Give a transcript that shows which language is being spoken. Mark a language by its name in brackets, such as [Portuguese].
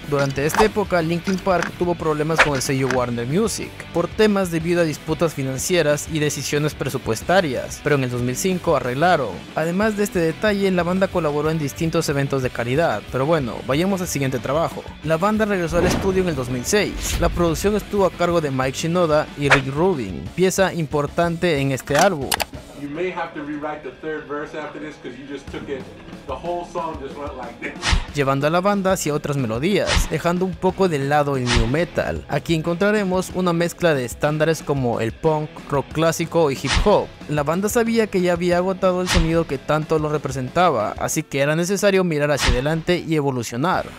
[Spanish] Durante esta época, Linkin Park tuvo problemas con el sello Warner Music por temas debido a disputas financieras y decisiones presupuestarias, pero en el 2005 arreglaron. Además de este detalle, la banda colaboró en distintos eventos de caridad, pero bueno, vayamos al siguiente trabajo. La banda regresó al estudio en el 2006. La producción estuvo a cargo de Mike Shinoda y Rick Rubin, pieza importante en este álbum. [English] You may have to rewrite the third verse after this because you just took it. The whole song just went like this. [Spanish] Llevando a la banda hacia otras melodías, dejando un poco de lado el new metal. Aquí encontraremos una mezcla de estándares como el punk, rock clásico y hip hop. La banda sabía que ya había agotado el sonido que tanto lo representaba, así que era necesario mirar hacia adelante y evolucionar.